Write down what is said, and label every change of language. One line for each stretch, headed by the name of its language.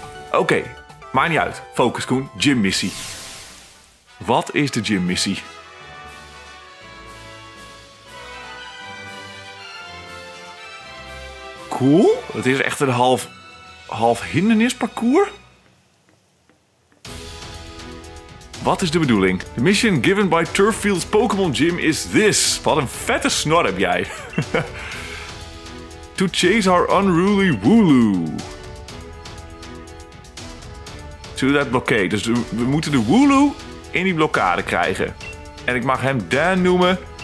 Dutch: Oké, maakt niet uit. Focus, Koen. Gym missie. Wat is de gym missie? Cool. Het is echt een half hindernisparcours. Wat is de bedoeling?
English: The mission given by Turffield's Pokémon Gym is this.
Dutch: Wat een vette snor heb jij.
English: To chase our unruly Wooloo. To that blockade.
Dutch: Dus we moeten de Wooloo in die blokkade krijgen. En ik mag hem Dan noemen.